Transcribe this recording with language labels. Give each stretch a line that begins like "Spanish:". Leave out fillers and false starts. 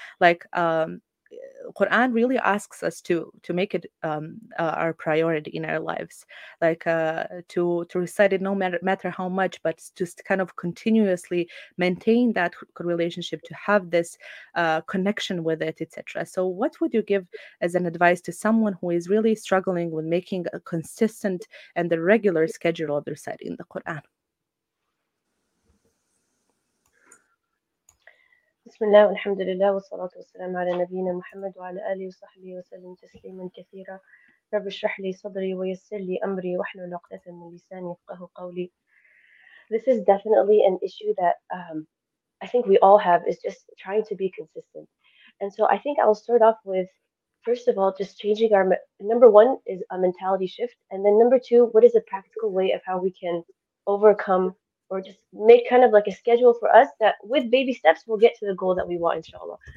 English: Like, Quran really asks us to make it our priority in our lives, like to recite it no matter how much, but just kind of continuously maintain that relationship, to have this connection with it, etc. So what would you give as an advice to someone who is really struggling with making a consistent and a regular schedule of reciting the Quran?
Arabic: بسم الله والحمد لله والصلاة والسلام على نبينا محمد وعلى آله وصحبه وسلم تسليما كثيرا رب اشرح لي صدري ويسر لي أمري واحلل عقدة من لساني يفقه قولي.
English: This is definitely an issue that I think we all have, is just trying to be consistent. And so I think I'll start off with, first of all, just changing our, number one is a mentality shift, and then number two, what is a practical way of how we can overcome or just make kind of like a schedule for us that with baby steps, we'll get to the goal that we want, inshallah.